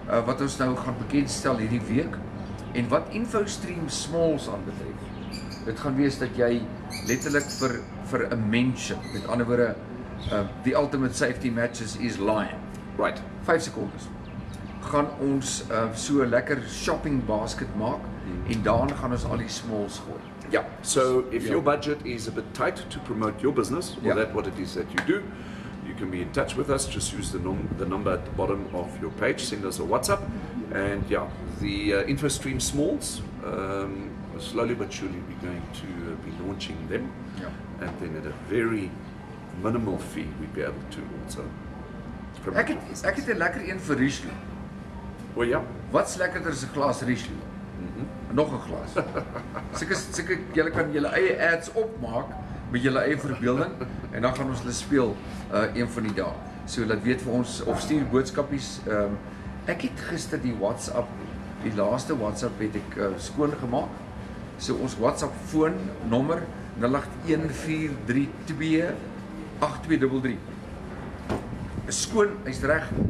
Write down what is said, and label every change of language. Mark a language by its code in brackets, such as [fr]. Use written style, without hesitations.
[af] Wat ons nou gaan bekendstel hierdie week. En wat InfoStream Smalls aanbetref, dit gaan wees dat jy letterlik vir 'n mention, met ander woorde, [en] the ultimate safety matches is line. Right. [af] 5 sekondes. Gaan ons so 'n lekker shopping basket maak en daarin gaan ons al die smalls gooi. [en] Yeah. So if your budget is a bit tight to promote your business, or that what it is that you do, you can be in touch with us. Just use the number at the bottom of your page. Send us a WhatsApp. And yeah, the InfoStream Smalls, slowly but surely we're going to be launching them. Yeah. And then at a very minimal fee, we'd be able to also promote. [af] Ek het 'n lekker een vir Riesling. Oh ja. Wat's lekkerder as 'n glas Riesling? Mm-hmm. Nog 'n glas. Seker julle kan julle eie ads opmaak met julle eie verbeelding en dan gaan ons hulle speel een van die dae. So laat weet vir ons of stuur boodskapies. Ek het gister die laaste WhatsApp het ek skoon gemaak. So ons WhatsApp foon nommer 0814328233. Is skoon, hy's reg.